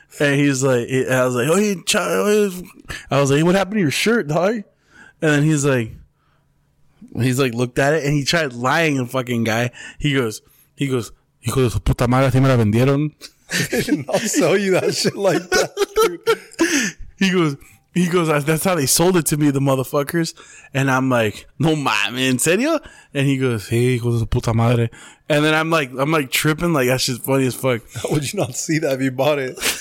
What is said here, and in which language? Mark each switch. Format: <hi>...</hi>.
<en>And he's like, I was like, what happened to your shirt, dog? And then he's like, looked at it, and he tried lying, the fucking guy. He goes,</en> <es>hijo de su puta madre, así me la vendieron.</es> <en>I'll sell you that shit like that, dude. He goes, that's how they sold it to me, the motherfuckers. And I'm like,</en> <es>no mames, ¿en serio?</es> <en>And he goes, hey,</en> <es>hijo de su puta madre.</es> <en>And then I'm like tripping, like, that shit's funny as fuck. How would you not see that if you bought it?</en>